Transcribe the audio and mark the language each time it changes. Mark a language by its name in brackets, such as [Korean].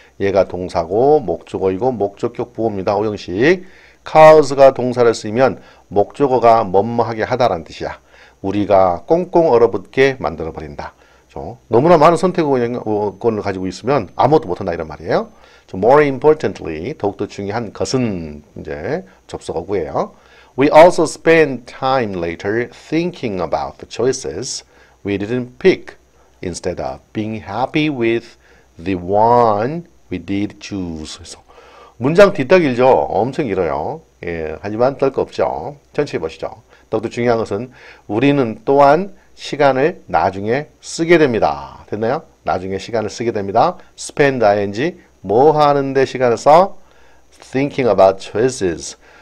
[Korean] 얘가 동사고 목적어이고 목적격 부호입니다. 오형식. cause가 동사를 쓰면 목적어가 뭐뭐하게 하다라는 뜻이야. 우리가 꽁꽁 얼어붙게 만들어 버린다. 너무나 많은 선택권을 가지고 있으면 아무것도 못 한다 이런 말이에요. [English] more importantly, [Korean] 더욱더 중요한 것은 이제 접속어구예요. [English] We also spend time later thinking about the choices we didn't pick instead of being happy with the one We did choose. [Korean] 그래서 문장 뒤따 길죠? 엄청 길어요. 예, 하지만 떨거 없죠. 천천히 보시죠. 더욱더 중요한 것은 우리는 또한 시간을 나중에 쓰게 됩니다. 됐나요? 나중에 시간을 쓰게 됩니다. [English] spend ing [Korean] 뭐 하는데 시간을 써? [English] thinking about choices.